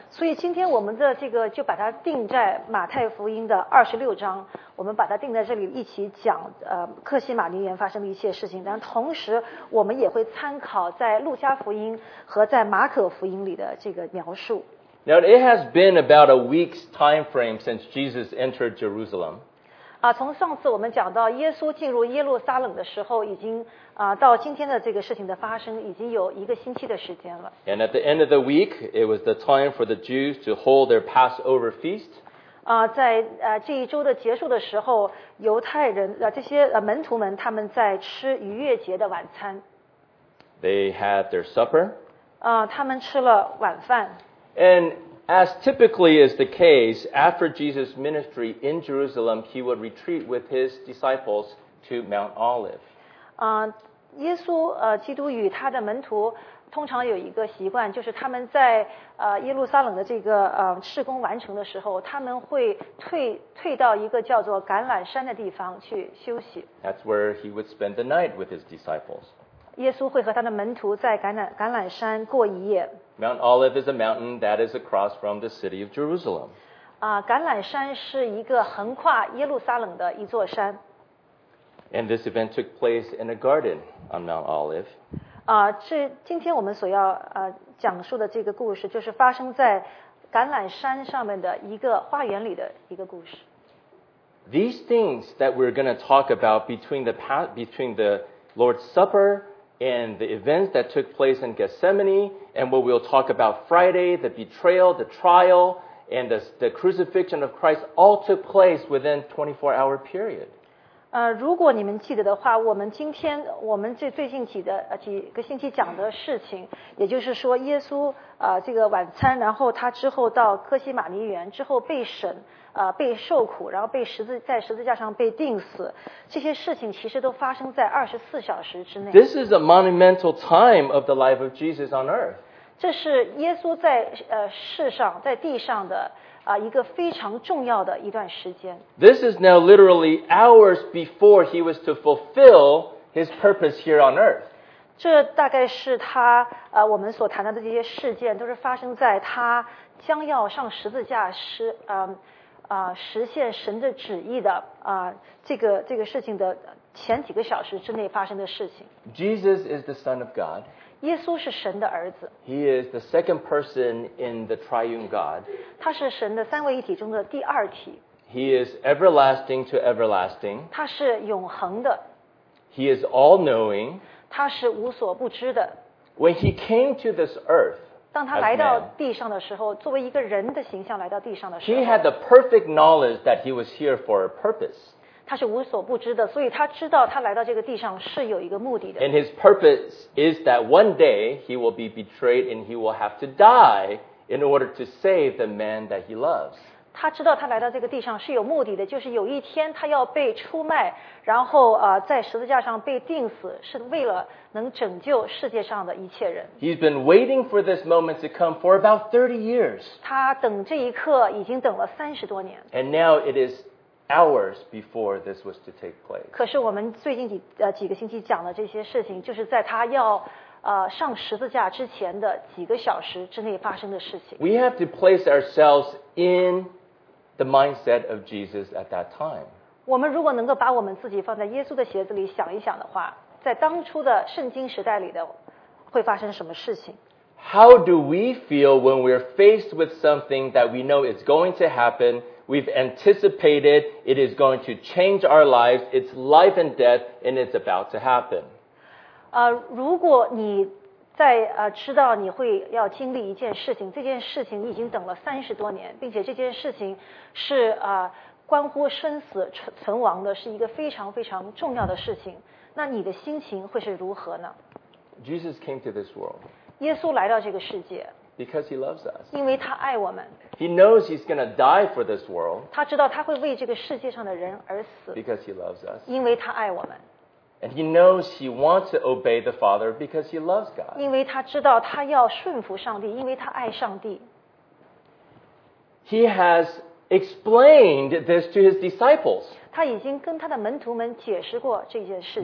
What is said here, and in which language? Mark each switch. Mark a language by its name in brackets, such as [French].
[Chinese] 所以今天我们的这个就把它定在马太福音的二十六章，我们把它定在这里一起讲克西马尼园发生的一切事情。但同时，我们也会参考在路加福音和在马可福音里的这个描述。 [English] Now it has been about a week's time frame since Jesus entered Jerusalem. [Chinese] 从上次我们讲到耶稣进入耶路撒冷的时候已经到今天的这个事情的发生已经有一个星期的时间了。 [English] And at the end of the week, it was the time for the Jews to hold their Passover feast. [Chinese] 在这一周的结束的时候犹太人这些门徒们他们在吃逾越节的晚餐。 [English] They had their supper. [Chinese] 他们吃了晚饭。 [English] And... As typically is the case, after Jesus' ministry in Jerusalem, he would retreat with his disciples to Mount Olive. [Chinese] 耶稣基督与他的门徒通常有一个习惯，就是他们在耶路撒冷的这个事工完成的时候，他们会退到一个叫做橄榄山的地方去休息。 [English] That's where he would spend the night with his disciples. [Chinese] 耶稣会和他的门徒在橄榄山过一夜。 [English] Mount Olive is a mountain that is across from the city of Jerusalem. [Chinese] 橄榄山是一个横跨耶路撒冷的一座山。 [English] And this event took place in a garden on Mount Olive. [Chinese] 今天我们所要讲述的这个故事就是发生在橄榄山上面的一个花园里的一个故事。 [English] These things that we're going to talk about between the Lord's Supper and the events that took place in Gethsemane, and what we'll talk about Friday, the betrayal, the trial, and the crucifixion of Christ all took place within 24-hour period. [Chinese] 如果你们记得的话，我们今天我们这最近几的几个星期讲的事情，也就是说耶稣这个晚餐，然后他之后到克西马尼园之后被审被受苦，然后被十字架上被钉死，这些事情其实都发生在24小时之内。 [English] This is a monumental time of the life of Jesus on earth. [Chinese] 这是耶稣在世上在地上的一个非常重要的一段时间。 [English] This is now literally hours before he was to fulfill his purpose here on earth. [Chinese] 这大概是他我们所谈到的这些事件都是发生在他将要上十字架时实现神的旨意的这个事情的前几个小时之内发生的事情。 [English] Jesus is the Son of God. [Chinese] 耶稣是神的儿子。 [English] He is the second person in the triune God. [Chinese] 他是神的三位一体中的第二体。 [English] He is everlasting to everlasting. [Chinese] 他是永恒的。 [English] He is all-knowing. [Chinese] 他是无所不知的。 [English] When he came to this earth, [Chinese] 当他来到地上的时候，作为一个人的形象来到地上的时候 [English] ，He had the perfect knowledge that he was here for a purpose. [Chinese] 他是无所不知的，所以他知道他来到这个地上是有一个目的的。 [English] And his purpose is that one day he will be betrayed and he will have to die in order to save the man that he loves. [Chinese] 他知道他来到这个地上是有目的的，就是有一天他要被出卖，然后在十字架上被钉死，是为了。能拯救世界上的一切人。 [English] He's been waiting for this moment to come for about 30 years. [Chinese] 他等这一刻已经等了三十多年。 [English] And now it is hours before this was to take place. [Chinese] 可是我们最近几个星期讲的这些事情，就是在他要上十字架之前的几个小时之内发生的事情。 [English] We have to place ourselves in the mindset of Jesus at that time. [Chinese] 我们如果能够把我们自己放在耶稣的鞋子里想一想的话。在当初的圣经时代里的会发生什么事情 [English] How do we feel when we're faced with something that we know is going to happen, we've anticipated it is going to change our lives, it's life and death, and it's about to happen? [Chinese] 如果你在知道你会要经历一件事情，这件事情已经等了三十多年，并且这件事情是关乎生死存亡的，是一个非常非常重要的事情。那你的心情会是如何呢 [English] ？Jesus came to this world. [Chinese] 耶稣来到这个世界。 [English] Because he loves us. [Chinese] 因为他爱我们。 [English] He knows he's going to die for this world. [Chinese] 他知道他会为这个世界上的人而死。 [English] Because he loves us. [Chinese] 因为他爱我们。 [English] And he knows he wants to obey the Father because he loves God. [Chinese] 因为他知道他要顺服上帝，因为他爱上帝。 [English] He has explained this to his disciples. [Chinese] 他已经跟他的门徒们解释过这件事情。